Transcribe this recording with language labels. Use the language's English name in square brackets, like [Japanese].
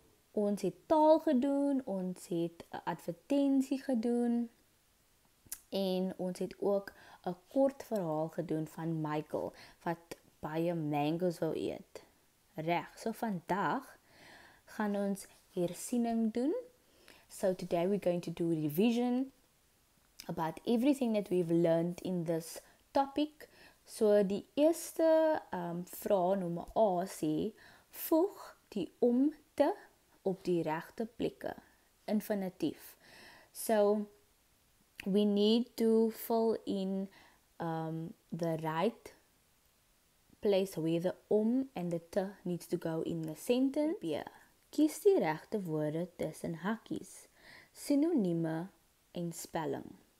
[Afrikaans] Ons het taal gedoen, ons het 'n advertensie gedoen en ons het ook 'n kort verhaal gedoen van Michael wat baie mangoes wou eet. Reg, so vandag gaan ons hersiening doen. [English] So today we're going to do a revision about everything that we've learned in this topic. [Afrikaans] So die eerste vraag nommer A sê, voeg die omte op die regte plekke, infinitief. [English] So we need to fill in the right place where the om and the te needs to go in the sentence. Yeah. [Afrikaans] Kies die regte woorde tussen hakkies, sinonieme en spelling.